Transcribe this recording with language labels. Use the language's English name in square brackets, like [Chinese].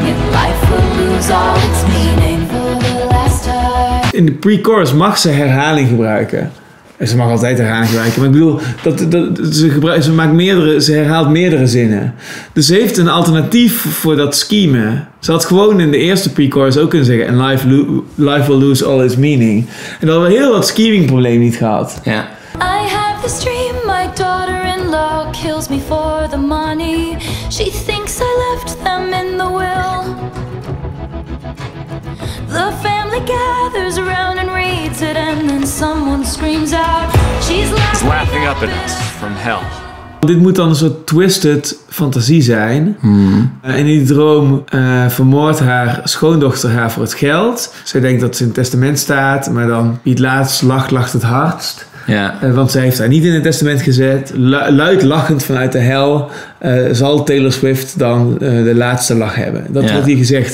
[English] And life will lose all its meaning for the last time. [Dutch] In de pre-chorus mag ze herhaling gebruiken. En ze mag altijd herhaling gebruiken. Maar ik bedoel, ze herhaalt meerdere zinnen. Dus ze heeft een alternatief voor dat scheme. Ze had gewoon in de eerste pre-chorus ook kunnen zeggen... [English] Life will lose all its meaning. [Dutch] En dan hadden we heel dat scheming-probleem niet gehad. Ja. [English] I have this dream, my daughter-in-law kills me for the money. She thinks I left them in the will. The family gathers around and reads it, and then someone screams out, she's laughing up at us from hell. [Dutch] Dit moet dan een soort twisted fantasie zijn. In die droom vermoordt haar schoondochter haar voor het geld. Zij denkt dat ze in het testament staat, maar dan wie het laatst lacht, lacht het hardst. Ja. Want zij heeft haar niet in het testament gezet. Luid lachend vanuit de hel zal Taylor Swift dan de laatste lach hebben. Dat wordt hier gezegd.